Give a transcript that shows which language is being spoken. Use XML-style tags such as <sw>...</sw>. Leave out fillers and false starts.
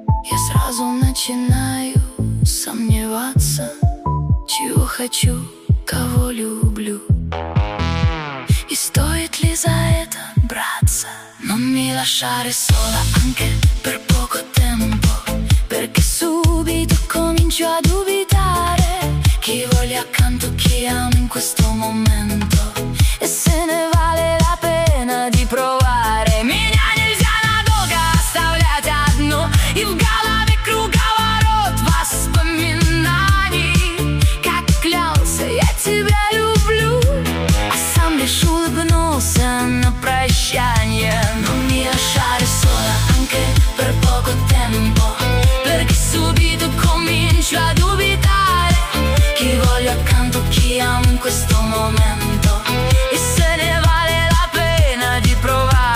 <ru>Я сразу начинаю сомневаться, чего хочу, кого люблю, и стоит ли за это браться.</ru> <it>Non mi lasciare sola anche per poco tempo, perché subito comincio a dubitare. Chi voglio accanto, chi amo in questo momento, e se ne vale la pena di provare.</it> <ru>Меня нельзя надолго оставлять одну, и в голове круговорот воспоминаний. Как клялся я тебя люблю, а сам лишь улыбнулся на прощанье.</ru> <it>Non mi lasciare sola anche per poco tempo, perché subito comincio a dubitare. Chi voglio accanto, chi amo in questo momento, e se ne vale la pena di provare.</it>